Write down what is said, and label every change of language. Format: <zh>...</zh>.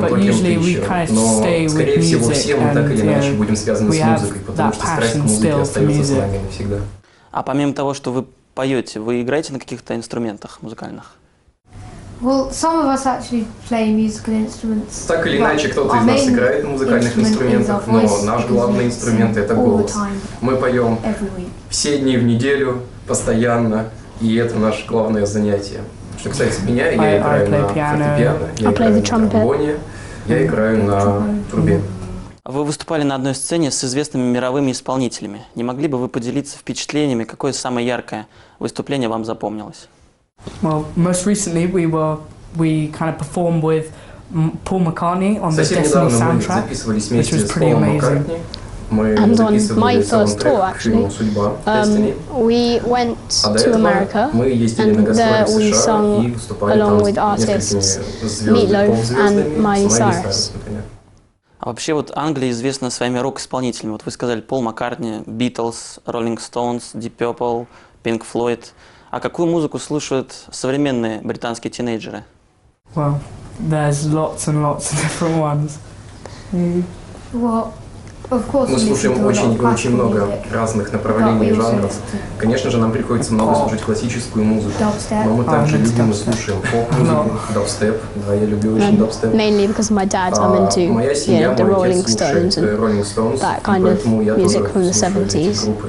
<en>but usually we kind of stay with music, and we have that passion still for music.</en> <ru>А помимо того, что вы поете, вы играете на каких-то инструментах музыкальных?</ru> <en>Well, some of us actually play musical instruments.</en> <ru>Так или иначе, кто-то из нас играет на музыкальных инструментах, но наш главный инструмент – это голос. Мы поем все дни в неделю, постоянно, и это наше главное занятие. Что, кстати, меня, я играю на фортепиано, я играю на тромбоне, я играю на трубе. Вы выступали на одной сцене с известными мировыми исполнителями. Не могли бы вы поделиться впечатлениями, какое самое яркое выступление вам запомнилось?</ru> <en>Well, most recently we kind of performed with Paul McCartney on the Destiny soundtrack, which was pretty amazing. And on my first tour, actually, we went to America, and there we sung along with artists Meat Loaf and Miley Cyrus.</en> <ru>Вообще вот Англия известна своими рок-исполнителями. Вот вы сказали Пол Маккартни, Beatles, Rolling Stones, Deep Purple, Pink Floyd. А какую музыку слушают современные британские тинейджеры? Well, there's lots and lots of different ones. Мы слушаем очень много разных направлений и жанров. Конечно же, нам приходится много слушать классическую музыку, но мы также любим и слушаем поп-музыку, дабстеп. Да, я люблю очень дабстеп.</ru> <en>Mainly because my dad, I'm into the Rolling Stones and that kind of music from the 70s.</en>